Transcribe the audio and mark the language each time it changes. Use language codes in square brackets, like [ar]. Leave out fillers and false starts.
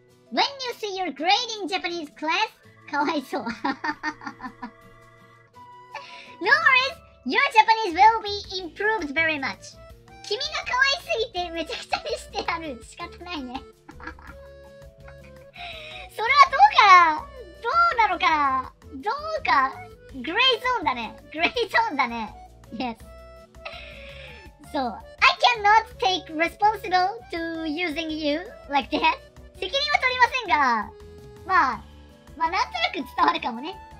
[en] When you see your grade in Japanese class, kawaisou. No worries, your Japanese will be improved very much. [ja] 君が可愛すぎてめちゃくちゃにしてやる。仕方ないね。それはどうかグレーゾーンだね。 [en] Yes. So, I cannot take responsible to using you like that. [ja] 責任は取りませんが、まあ、なんとなく伝わるかもね。